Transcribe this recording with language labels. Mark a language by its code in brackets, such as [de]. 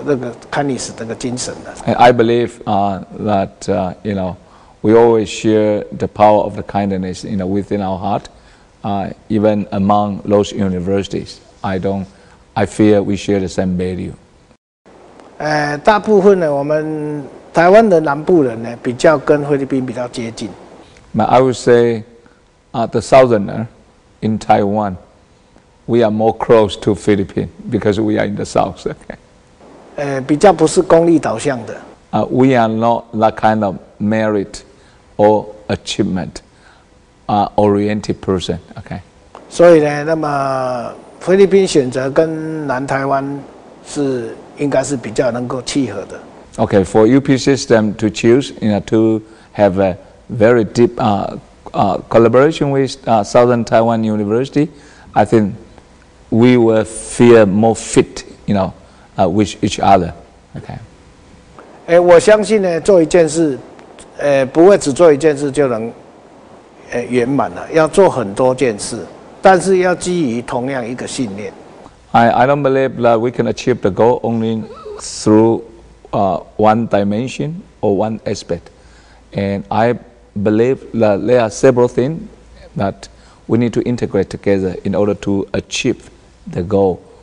[zh] 我相信南部这些大学也跟我一样的，都是保有热情的，这个看你是这个精神的。I [en] believe that, you know, we always share the power of the kindness, you know, within our heart, even among those universities. I fear we share the same value. [zh] 大部分呢，我们台湾的南部人呢，比较跟菲律宾比较接近。But [en] I would say, the southerner in Taiwan, we are more close to Philippines because we are in the south. Okay. [zh] 比较不是功利导向的。 [en] We are not that kind of merit or achievement, oriented person. Okay. [zh] 所以呢，那么菲律宾选择跟南台湾是。应该是比较能够契合的。 [en] Okay, for UP system to choose, you know, to have a very deep collaboration with Southern Taiwan University, I think we will feel more fit, you know, with each other. Okay. [zh] 我相信呢，做一件事，不会只做一件事就能圆满了，要做很多件事，但是要基于同样一个信念。 [en] I don't believe that we can achieve the goal only through one dimension or one aspect. And I believe that there are several things that we need to integrate together in order to achieve the goal.